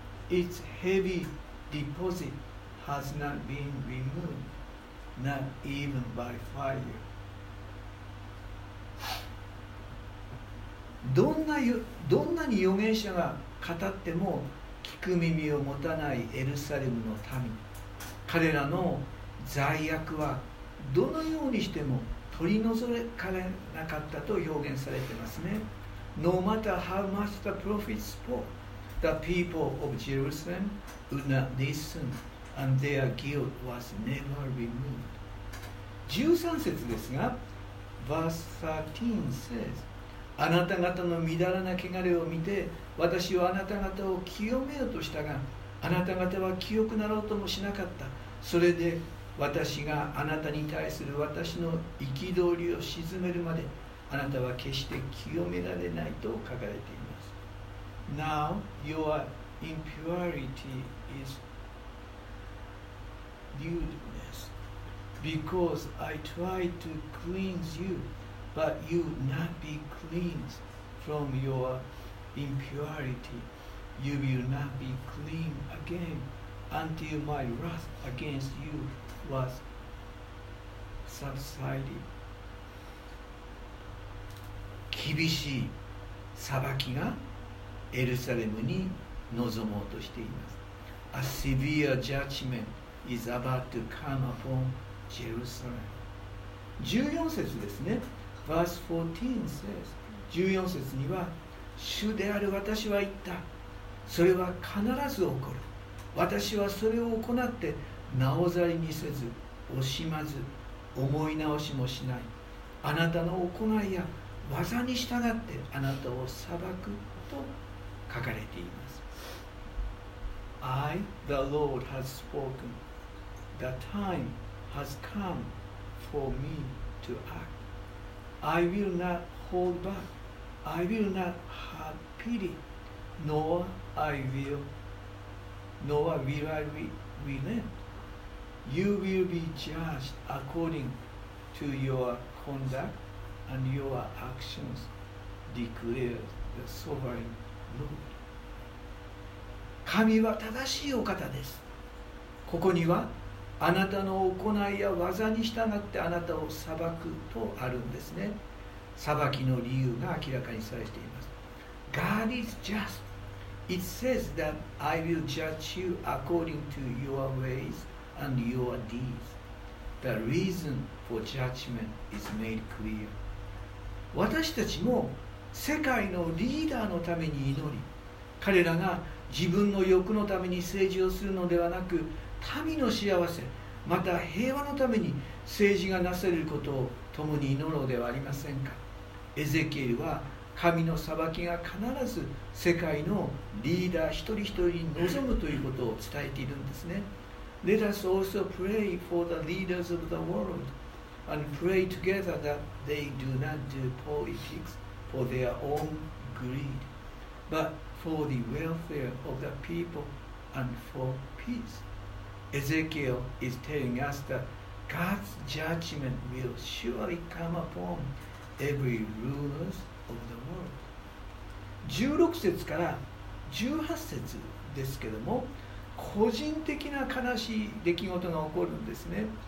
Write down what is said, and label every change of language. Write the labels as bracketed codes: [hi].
[en] Its heavy deposit has not been removed, not even by fire. [ja] どんなに預言者が語っても聞く耳を持たないエルサレムの民、彼らの罪悪はどのようにしても取り除かれなかったと表現されていますね。 [en] No matter how much the prophets spoke, the people of Jerusalem would not listen and their guilt was never removed. [ja] 13節ですが、 [en] Verse 13 says、 [ja] あなた方の乱らな汚れを見て、私はあなた方を清めようとしたが、あなた方は清くなろうともしなかった。それで私があなたに対する私の憤りを鎮めるまで、あなたは決して清められないと書かれています。 [en] Now your impurity is lewdness, because I tried to cleanse you. But you not be cleansed from your impurity. You will not be clean again until my wrath against you was subsided. [ja] 厳しい裁きがエルサレムに臨もうとしています。 [en] A severe judgment is about to come upon Jerusalem. [ja] 14節ですね。 [en] Verse 14 says, [ja] 14節には、主である私は言った。それは必ず起こる。私はそれを行って、なおざりにせず、惜しまず、思い直しもしない。あなたの行いや技に従って、あなたを裁くと書かれています。 [en] I, the Lord, has spoken. The time has come for me to act. I will not hold back. I will not have pity, nor will I relent. You will be judged according to your conduct and your actions, declares the sovereign Lord. [ja] 神は正しいお方です。ここにはあなたの行いや技に従ってあなたを裁くとあるんですね。裁きの理由が明らかにされています。 [en] God is just. It says that I will judge you according to your ways and your deeds. The reason for judgment is made clear. [ja] 私たちも世界のリーダーのために祈り、彼らが自分の欲のために政治をするのではなく、民の幸せ、また平和のために政治がなされることを共に祈ろうではありませんか。エゼキエルは神の裁きが必ず世界のリーダー一人一人に望むということを伝えているんですね。 [en] Let us also pray for the leaders of the world and pray together that they do not do politics for their own greed, but for the welfare of the people and for peace. Ezekiel is telling us that God's judgment will surely come upon every ruler of the world. [ja] 16節から18節ですけども、個人的な悲しい出来事が起こるんですね。